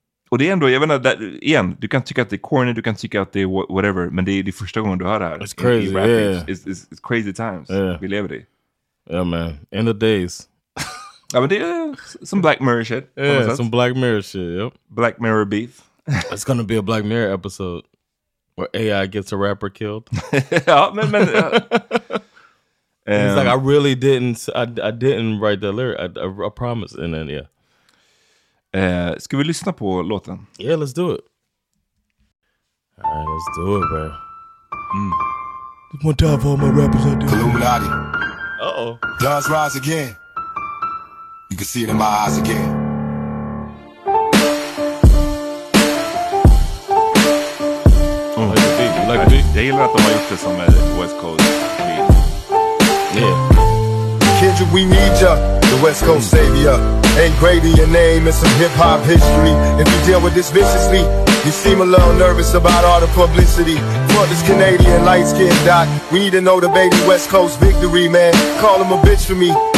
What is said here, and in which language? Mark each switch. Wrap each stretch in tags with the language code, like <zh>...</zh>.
<sv>Och det är ändå, jag vet inte, igen, du kan tycka att det är corny, du kan tycka att det är whatever, men det är det första gången du hör det här.</sv> <en>It's crazy,</en> <sv>i</sv> <en>rap, yeah. It's crazy times. Yeah.</en> <sv>Vi lever det.</sv> <en>Yeah, man. End of days.</en> <sv>Ja, men det är</sv> <en>some Black Mirror shit. Yeah, some Black Mirror shit, yep. Black Mirror beef. It's gonna be a Black Mirror episode where AI gets a rapper killed.</en> <sv>Ja, men</sv> <en>he's like, I really didn't, I didn't write that lyric, I promise, and then, yeah.</en> <sv>Ska vi lyssna på låten?</sv> <en>Yeah, let's do it. Alright, let's do it, bro. One time for all my rappers out there. Illuminati. Uh-oh. Dust rise again. You can see it in my eyes again. Mm. Like the beat, like the beat.</en> <sv>Jag gillar att de har gjort det som är West Coast beat.</sv> <en>Yeah. Kendrick, we need ya. The West Coast savior. Ain't great in your name and some hip-hop history. If you deal with this viciously, you seem a little nervous about all the publicity. Fuck this Canadian light-skinned doc. We need to know the baby West Coast victory, man. Call him a bitch for me.</en>